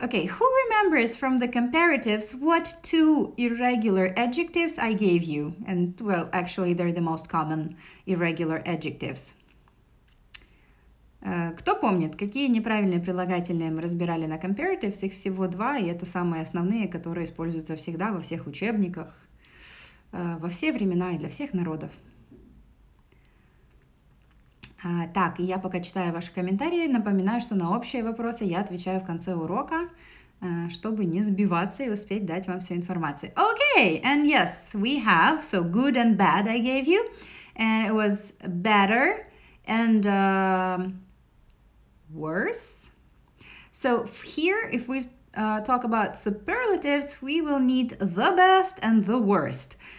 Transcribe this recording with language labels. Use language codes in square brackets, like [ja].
[en] Okay, who remembers from the comparatives what two irregular adjectives I gave you? And, well, actually, they're the most common irregular adjectives. [ru] Кто помнит, какие неправильные прилагательные мы разбирали на comparatives? Их всего два, и это самые основные, которые используются всегда во всех учебниках, во все времена и для всех народов. Так, я пока читаю ваши комментарии, напоминаю, что на общие вопросы я отвечаю в конце урока, чтобы не сбиваться и успеть дать вам всю информацию. [en] Okay, and yes, we have, so good and bad I gave you, and it was better and worse. So here, if we talk about superlatives, we will need the best and the worst.